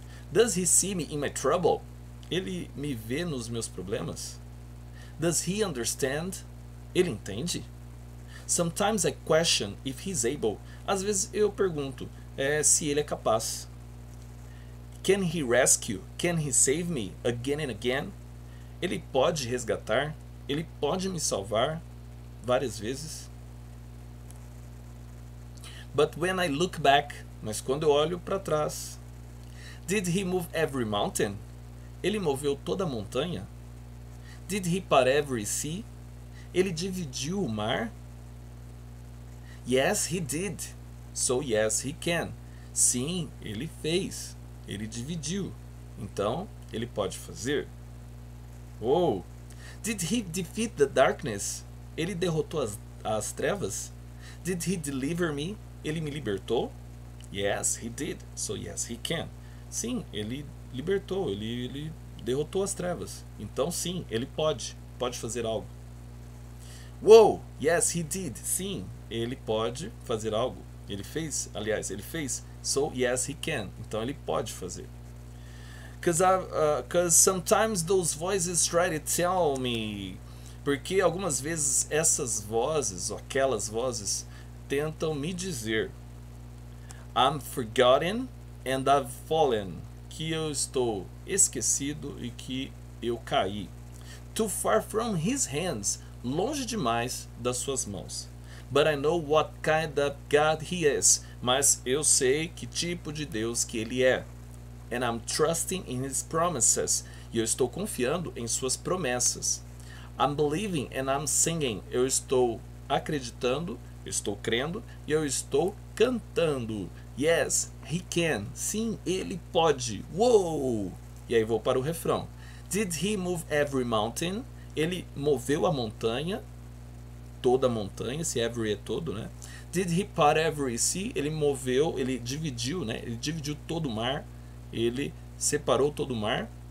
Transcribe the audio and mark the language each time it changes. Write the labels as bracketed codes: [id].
[en] Does he see me in my trouble? [pt] Ele me vê nos meus problemas? [en] Does he understand? [pt] Ele entende? [en] Sometimes I question if he's able. [pt] Às vezes eu pergunto, se ele é capaz. [en] Can he rescue? Can he save me again and again? [pt] Ele pode resgatar? Ele pode me salvar várias vezes? [en] But when I look back, [pt] mas quando eu olho para trás. [en] Did he move every mountain? [pt] Ele moveu toda a montanha? [en] Did he part every sea? [pt] Ele dividiu o mar? [en] Yes, he did. So yes, he can. [pt] Sim, ele fez. Ele dividiu. Então, ele pode fazer. Oh! [en] Did he defeat the darkness? [pt] Ele derrotou as trevas? [en] Did he deliver me? [pt] Ele me libertou? [en] Yes, he did. So yes, he can. [pt] Sim, ele libertou. Ele derrotou as trevas. Então, sim, ele pode. Pode fazer algo. Whoa! [en] Yes, he did. [pt] Sim, ele pode fazer algo. Ele fez, aliás, ele fez. [en] So, yes, he can. [pt] Então, ele pode fazer. [en] Cause sometimes those voices try to tell me. [pt] Porque algumas vezes essas vozes, ou aquelas vozes, tentam me dizer. [en] I'm forgotten and I've fallen. [pt] Que eu estou esquecido e que eu caí. [en] Too far from his hands. [pt] Longe demais das suas mãos. [en] But I know what kind of God he is. [pt] Mas eu sei que tipo de Deus que ele é. [en] And I'm trusting in his promises. [pt] E eu estou confiando em suas promessas. [en] I'm believing and I'm singing. [pt] Eu estou acreditando, estou crendo e eu estou cantando. [en] Yes, he can. [pt] Sim, ele pode. [en] Whoa! [pt] E aí vou para o refrão. [en] Did he move every mountain? [pt] Ele moveu a montanha, toda a montanha, se every é todo, né? [en] Did he part every sea? [pt] Ele moveu, ele dividiu, né? Ele dividiu todo o mar, ele separou todo o mar.